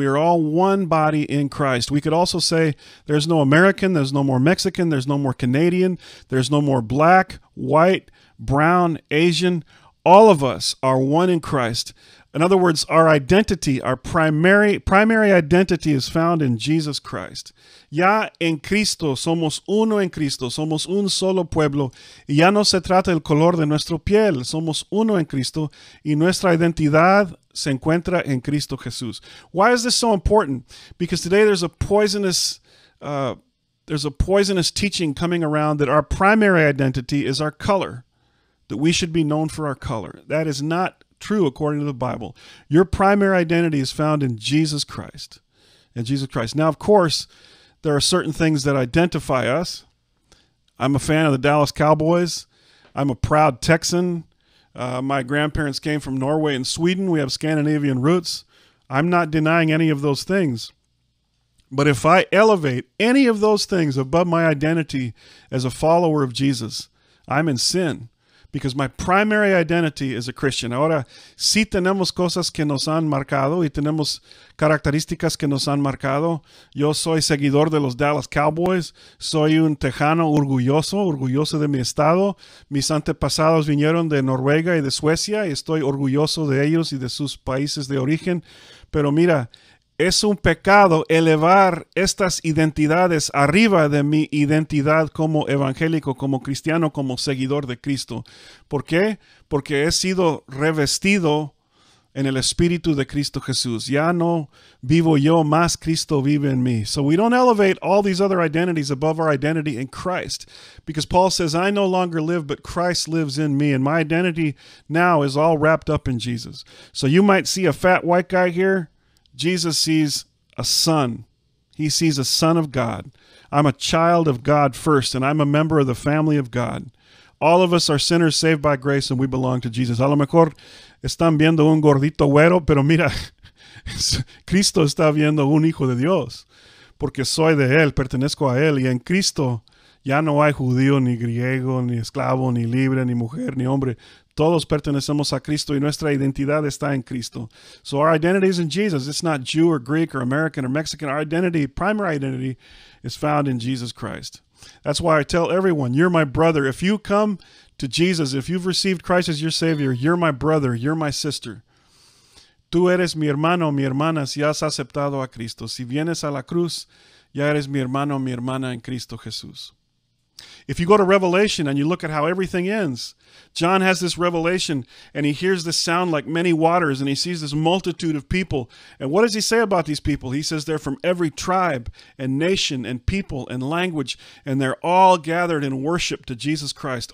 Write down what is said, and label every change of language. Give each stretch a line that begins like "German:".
English: We are all one body in Christ. We could also say there's no American, there's no more Mexican, there's no more Canadian, there's no more black, white, brown, Asian. All of us are one in Christ. In other words, our identity, our primary identity is found in Jesus Christ.
Spanish: Ya en Cristo, somos uno en Cristo, somos un solo pueblo. Y ya no se trata del color de nuestro piel, somos uno en Cristo. Y nuestra identidad se encuentra en Cristo Jesús.
English: Why is this so important? Because today there's a poisonous teaching coming around that our primary identity is our color. That we should be known for our color. That is not true according to the Bible. Your primary identity is found in Jesus Christ. In Jesus Christ. Now, of course, there are certain things that identify us. I'm a fan of the Dallas Cowboys. I'm a proud Texan. My grandparents came from Norway and Sweden. We have Scandinavian roots. I'm not denying any of those things. But if I elevate any of those things above my identity as a follower of Jesus, I'm in sin. Because my primary identity is a Christian.
Spanish: Ahora, sí tenemos cosas que nos han marcado y tenemos características que nos han marcado. Yo soy seguidor de los Dallas Cowboys. Soy un tejano orgulloso, orgulloso de mi estado. Mis antepasados vinieron de Noruega y de Suecia y estoy orgulloso de ellos y de sus países de origen. Pero mira, es un pecado elevar estas identidades arriba de mi identidad como evangélico, como cristiano, como seguidor de Cristo. ¿Por qué? Porque he sido revestido en el Espíritu de Cristo Jesús. Ya no vivo yo, más Cristo vive en mí.
English: So we don't elevate all these other identities above our identity in Christ. Because Paul says, I no longer live, but Christ lives in me. And my identity now is all wrapped up in Jesus. So you might see a fat white guy here. Jesus sees a son. He sees a son of God. I'm a child of God first, and I'm a member of the family of God. All of us are sinners saved by grace, and we belong to Jesus.
Spanish: A lo mejor están viendo un gordito güero, pero mira, Cristo está viendo un hijo de Dios, porque soy de él, pertenezco a él, y en Cristo ya no hay judío, ni griego, ni esclavo, ni libre, ni mujer, ni hombre. Todos pertenecemos a Cristo y nuestra identidad está en Cristo.
English: So our identity is in Jesus. It's not Jew or Greek or American or Mexican. Our identity, primary identity, is found in Jesus Christ. That's why I tell everyone, you're my brother. If you come to Jesus, if you've received Christ as your Savior, you're my brother, you're my sister.
Spanish: Tú eres mi hermano, mi hermana, si has aceptado a Cristo. Si vienes a la cruz, ya eres mi hermano, mi hermana en Cristo Jesús.
English: If you go to Revelation and you look at how everything ends, John has this revelation and he hears this sound like many waters and he sees this multitude of people. And what does he say about these people? He says they're from every tribe and nation and people and language, and they're all gathered in worship to Jesus Christ.